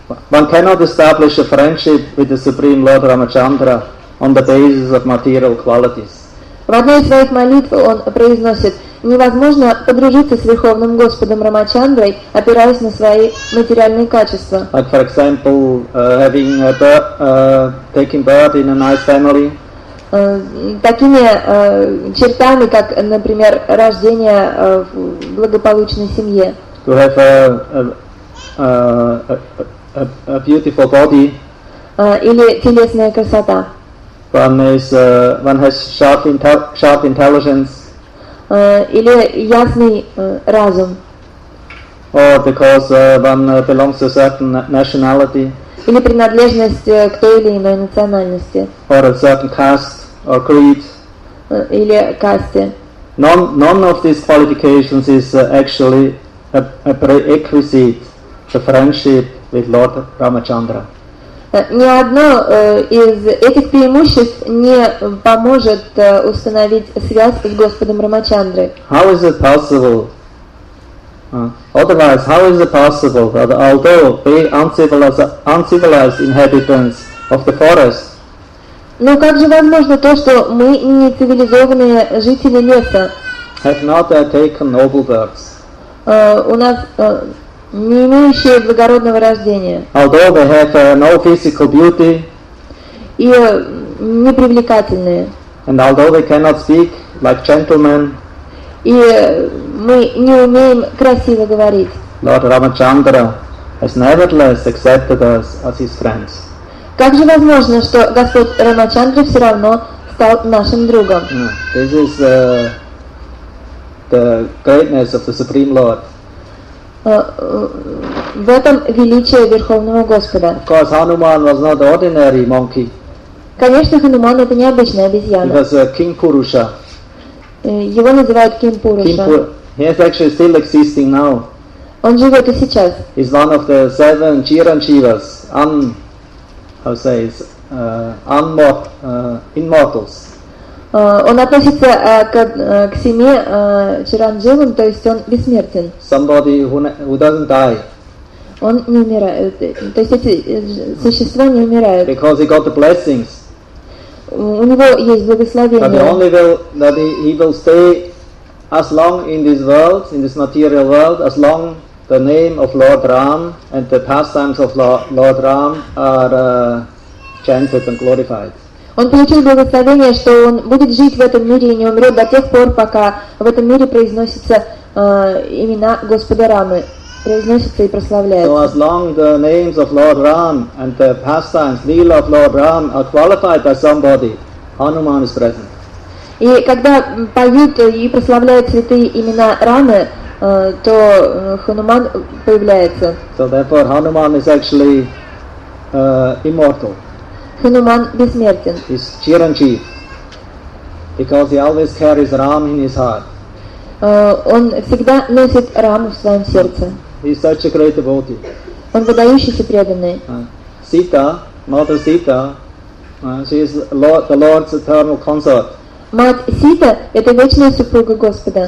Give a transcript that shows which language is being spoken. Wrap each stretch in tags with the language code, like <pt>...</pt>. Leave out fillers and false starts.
<en>One cannot establish a friendship with the Supreme Lord Ramachandra on the basis of material qualities.</en> <ru>В одной из своих молитв он произносит: невозможно подружиться с Верховным Господом Рамачандрой, опираясь на свои материальные качества.</ru> <en>Like, for example, having a birth, taking birth in a nice family.</en> <ru>Такими чертами, как, например, рождение в благополучной семье.</ru> <en>To have a beautiful body.</en> <ru>Или телесная красота.</ru> <en>One is one has sharp intelligence.</en> <ru>Или ясный разум.</ru> <en>Or because one belongs to a certain nationality.</en> <ru>Или принадлежность к той или иной национальности.</ru> <en>Or a certain caste or creed.</en> <ru>Или касте.</ru> <en>None of these qualifications is actually a prerequisite to friendship with Lord Ramachandra.</en> <ru>Ни одно из этих преимуществ не поможет установить связь с Господом Рамачандрой.</ru> <en>How is it possible? Otherwise, how is it possible that although they uncivilized inhabitants of the forest?</en> <ru>Но как же возможно то, что мы не цивилизованные жители леса?</ru> <en>Have not taken noble births.</en> <ru>У нас не имеющие благородного рождения.</ru> <en>Although they have no physical beauty.</en> <ru>И непривлекательные.</ru> <en>And although they cannot speak like gentlemen.</en> <ru>И мы не умеем красиво говорить.</ru> <en>Lord Ramachandra has nevertheless accepted us as his friends.</en> <ru>Как же возможно, что Господь Рамачандра все равно стал нашим другом?</ru> <en>This is the greatness of the Supreme Lord.</en> <ru>В этом величие Верховного Господа.</ru> <en>Of course, Hanuman was not ordinary monkey.</en> <ru>Конечно, Хануман это необычная обезьяна.</ru> <en>He was a King Purusha.</en> <ru>Его называют King Purusha.</ru> <en>He is actually still existing now.</en> <ru>Он живет и сейчас.</ru> <en>He's one of the seven Chiranjivas, immortals.</en> <ru>Он относится к семье Чирандживам, то есть он бессмертен.</ru> <en>Somebody who doesn't die.</en> <ru>Он не умирает, то есть эти существа не умирают.</ru> <en>Because he got the blessings.</en> <ru>У него есть благословение.</ru> <en>But only that he will stay as long in this world, in this material world, as long the name of Lord Ram and the pastimes of Lord Ram are chanted and glorified.</en> <ru>Он получил благословение, что он будет жить в этом мире и не умрет до тех пор, пока в этом мире произносятся имена Господа Рамы, произносятся и прославляются.</ru> <en>So as long the names of Lord Ram and the pastimes, Leela of Lord Ram are qualified by somebody, Hanuman is present.</en> <ru>И когда поют и прославляют святые имена Рамы, то Хануман появляется.</ru> <en>So therefore Hanuman is actually immortal.</en> <ru>Хануман бессмертен.</ru> <en>He's Chiranjeev, because he always carries Ram in his heart.</en> <ru>Он всегда носит Раму в своем сердце.</ru> <en>He's such a great devotee.</en> <ru>Он выдающийся преданный.</ru> <en>Sita, Mother Sita, she is Lord, the Lord's eternal consort.</en> <ru>Мать Сита – это вечная супруга Господа.</ru>